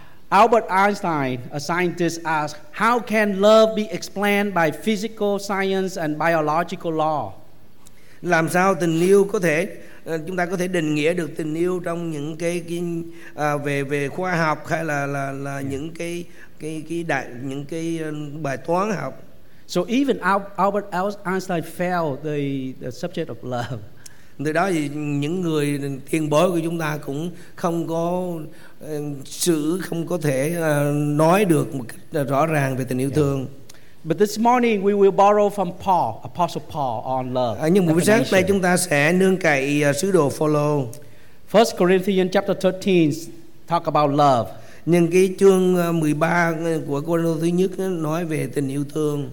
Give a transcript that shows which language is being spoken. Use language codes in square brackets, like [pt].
[en] Albert Einstein, a scientist, asked, "How can love be explained by physical science and biological law?" [vi] Làm sao tình yêu có thể chúng ta có thể định nghĩa được tình yêu trong những cái về khoa học hay là những cái bài toán học? [en] So even Albert Einstein failed the subject of love. [vi] Từ đó thì những người tiền bối của chúng ta cũng không có nói được một cách rõ ràng về tình yêu thương. [en] But this morning we will borrow from Paul, Apostle Paul, on love. [vi] Nhưng buổi sáng nay chúng ta sẽ nương cậy sứ đồ Phaolô. [en] 1 Corinthians chapter 13 talk about love. [vi] Nhưng cái chương 13 của Corinto thứ nhất nói về tình yêu thương.